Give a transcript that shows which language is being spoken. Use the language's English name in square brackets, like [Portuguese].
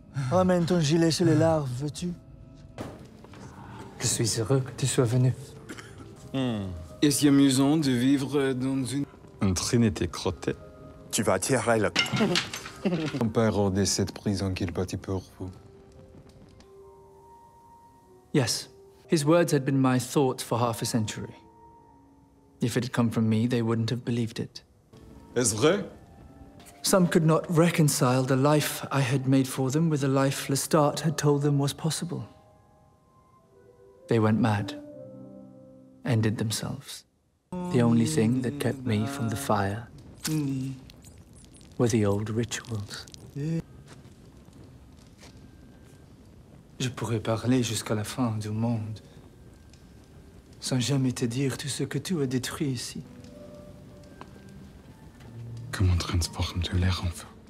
[French] Ramène ton gilet sur les larves, veux-tu? Je suis heureux que tu sois venu. Est-ce amusant de vivre dans une... Une trinité crottée? Tu vas tirer le... Ton père de cette prison qu'il bâtit pour vous. [English] Yes. His words had been my thoughts for half a century. If it had come from me, they wouldn't have believed it. [French] Est-ce vrai? [English] Some could not reconcile the life I had made for them with the life Lestat had told them was possible. They went mad. Ended themselves. The only thing that kept me from the fire were the old rituals. [French] Je pourrais parler jusqu'à la fin du monde sans jamais te dire tout ce que tu as détruit ici. Comment transformes-tu l'air en feu?